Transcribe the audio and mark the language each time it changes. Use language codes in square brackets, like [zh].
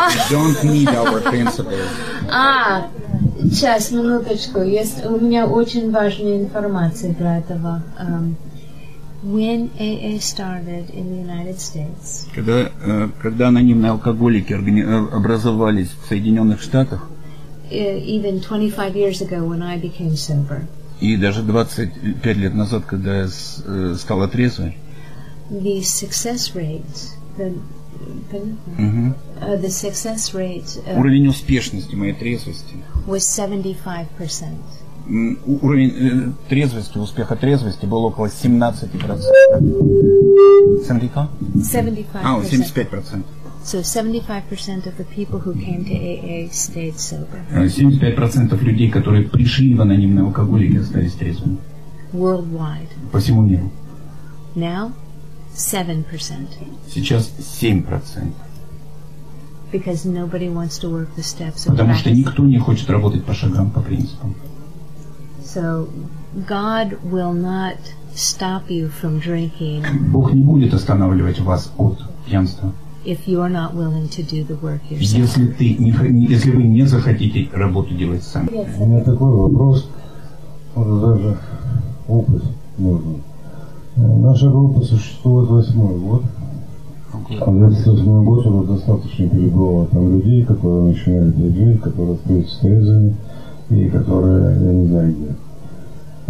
[en] Don't need our principles. [ru] Сейчас, минуточку. У меня очень важная информация для этого. [en] When AA started in the United States. [ru] Когда анонимные алкоголики образовались в Соединенных Штатах. [en] Even 25 years ago, when I became sober. [ru] И даже 25 лет назад, когда я стала трезвой. [en] The success rates. The success rates. [ru] Уровень успешности моей трезвости. [en] Was 75%. [ru] Уровень трезвости, успеха трезвости был около 17%. [en] 75%. 75%. So 75% of the people who came to AA stayed sober. [ru] 75% людей, которые пришли в анонимные алкоголики, остались трезвыми. [en] Worldwide. [ru] По всему миру. [en] Now 7%. [ru] Сейчас 7%. [en] Because nobody wants to work the steps. [ru] Потому что никто не хочет работать по шагам, по принципам. [en] So God will not stop you from drinking. [ru] Бог не будет останавливать вас от пьянства. [en] If you are not willing to do the work yourself. [ru] Если вы не захотите работу делать сами. У меня такой вопрос, может даже опыт нужен. Наша группа существует восьмой год. А 28 год уже достаточно перебывало там людей, которые начинают диджей, которые остаются трезвыми. И которые, я не знаю где.